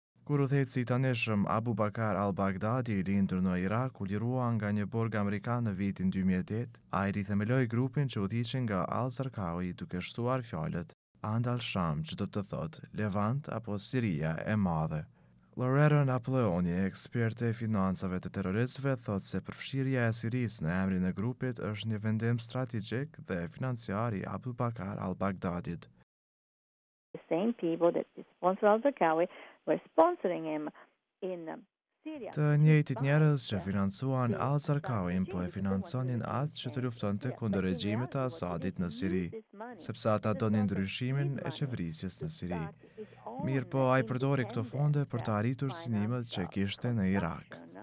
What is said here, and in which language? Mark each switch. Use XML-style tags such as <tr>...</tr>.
<sq>Kur u the si tanëshëm Abu Bakar al-Baghdadi, i lindur në Irak, u lirua nga një burg amerikan në vitin 2008, ai rithemeloi grupin që u dhiqi nga al-Zarkawi duke shtuar fjalët And al-Sham, që do të thot Levant apo Siria e madhe. Loretta Napoleoni, eksperte e financave të terrorizmit, thot se përfshirja e Siris në emrin e grupit është një vendim strategjik dhe financiar i Abu Bakar al-Baghdadit.</sq> <en>The same people that sponsor al-Zarkawi were sponsoring him in Syria.</en> <sq>Të njëjtit njerëz që financuan al-Zarkawin po e financonin atë që të luftonte kundër regjimit të Asadit në Siri, sepse ata donin ndryshimin e qeverisjes në Siri. Mirë po, ai përdori këto fonde për të arritur synimet që kishte në Irak.</sq>